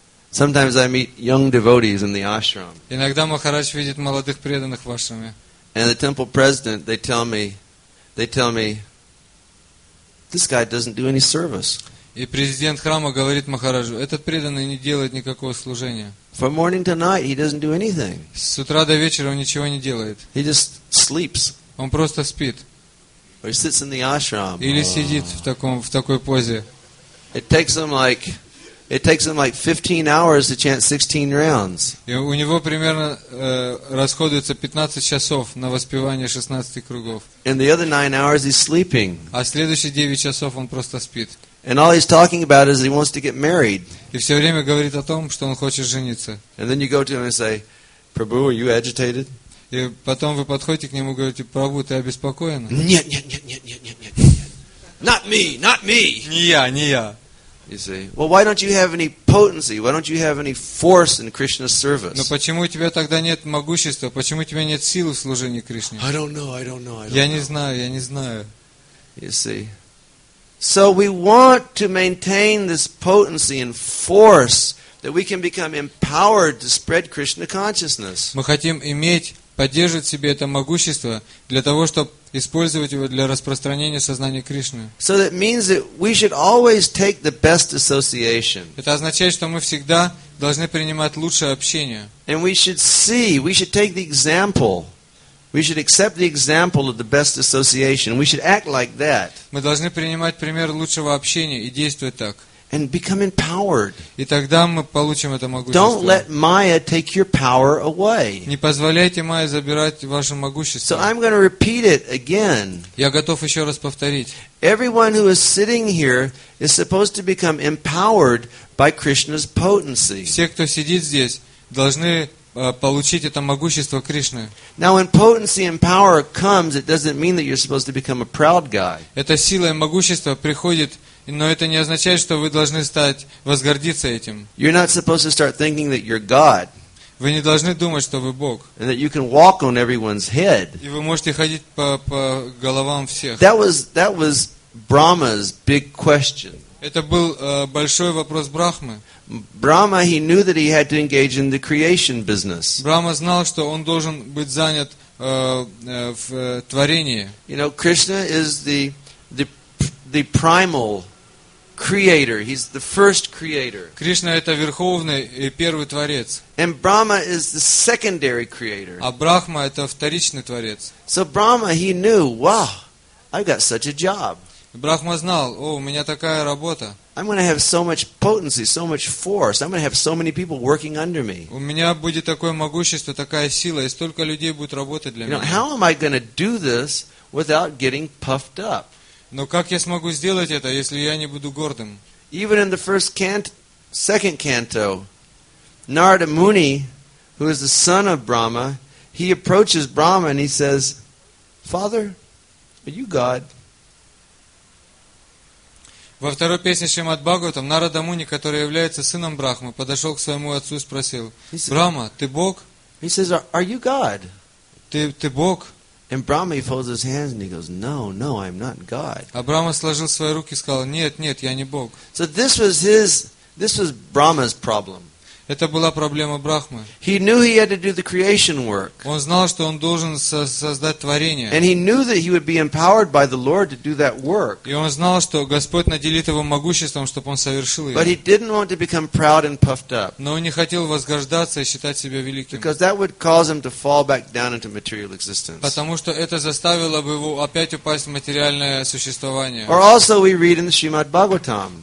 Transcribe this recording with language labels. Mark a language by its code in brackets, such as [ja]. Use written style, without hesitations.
[en] Sometimes I meet young devotees in the ashram. [ru] Иногда Махарадж видит молодых преданных в ашраме. [en] And the temple president, they tell me, this guy doesn't do any service. [ru] И президент храма говорит Махараджу: этот преданный не делает никакого служения. [en] From morning to night, he doesn't do anything. [ru] С утра до вечера он ничего не делает. [en] He just sleeps. [ru] Он просто спит. [en] Or sits in the ashram. [ru] Или сидит в такой позе. [en] It takes him like 15 hours to chant 16 rounds. [ru] И у него примерно расходуется 15 часов на воспевание 16 кругов. [en] And the other 9 hours he's sleeping. [ru] А следующие 9 часов он просто спит. [en] And all he's talking about is he wants to get married. [ru] И все время говорит о том, что он хочет жениться. [en] And then you go to him and say, Prabhu, are you agitated? [ru] И потом вы подходите к нему и говорите, Прабу, ты обеспокоен? Нет. [en] Not me. [ru] Не я. [en] You say, well, why don't you have any potency? Why don't you have any force in Krishna's service? [ru] Но почему у тебя тогда нет могущества? Почему у тебя нет силы в служении Кришне? [en] I don't know. [ru] Я не знаю. [en] You see. So we want to maintain this potency and force that we can become empowered to spread Krishna consciousness. [ru] Мы хотим иметь, поддерживать в себе это могущество для того, чтобы использовать его для распространения сознания Кришны. [en] So that means that we should always take the best association. [ru] Это означает, что мы всегда должны принимать лучшее общение. [en] And we should see, we should take the example. We should accept the example of the best association. We should act like that. [ru] Мы должны принимать пример лучшего общения и действовать так. [en] And become empowered. [ru] И тогда мы получим это могущество. [en] Don't let Maya take your power away. [ru] Не позволяйте Майе забирать ваше могущество. [en] So I'm going to repeat it again. [ru] Я готов еще раз повторить. [en] Everyone who is sitting here is supposed to become empowered by Krishna's potency. [ru] Все, кто сидит здесь, должны получить это могущество Кришны. [en] Now, when potency and power comes, it doesn't mean that you're supposed to become a proud guy. [ru] Эта сила и могущество приходит, но это не означает, что вы должны стать возгордиться этим. [en] You're not supposed to start thinking that you're God. [ru] Вы не должны думать, что вы Бог. [en] And that you can walk on everyone's head. [ru] И вы можете ходить по головам всех. [en] That was Brahma's big question. [ru] Это был большой вопрос Брахмы. [en] Brahma, he knew that he had to engage in the creation business. [ru] Брахма знал, что он должен быть занят в творении. [en] You know, Krishna is the primal creator. He's the first creator. [ru] Кришна это верховный и первый творец. [en] And Brahma is the secondary creator. [ru] А Брахма это вторичный творец. [en] So Brahma, he knew, wow, I've got such a job. [ru] Брахма знал, о, у меня такая работа. [en] I'm going to have so much potency, so much force. I'm going to have so many people working under me. [ru] У меня будет такое могущество, такая сила, и столько людей будет работать для меня. [en] You know, how am I going to do this without getting puffed up? [ru] Но как я смогу сделать это, если я не буду гордым? [en] Even in the second canto, Narada Muni, who is the son of Brahma, he approaches Brahma and he says, "Father, are you God?" [ru] Во второй песне Шримад-Бхагаватам Нарада Муни, который является сыном Брахмы, подошел к своему отцу и спросил, «Брахма, ты Бог?» [en] He says, «Are you God?» [ru] «Ты Бог?» [en] And Brahma, he folds his hands and he goes, no, I'm not God. [ru] А Брахма сложил свои руки и сказал, «Нет, я не Бог». [en] So this was Brahma's problem. [ru] Это была проблема Брахмы. [en] He knew he had to do the creation work. [ru] Он знал, что он должен создать творение. [en] And he knew that he would be empowered by the Lord to do that work. [ru] И он знал, что Господь наделит его могуществом, чтобы он совершил его. [en] But he didn't want to become proud and puffed up. [ru] Но он не хотел возгордаться и считать себя великим. [en] Because that would cause him to fall back down into material existence. [ru] Потому что это заставило бы его опять упасть в материальное существование. [en] Or also we read in the Shrimad Bhagavatam.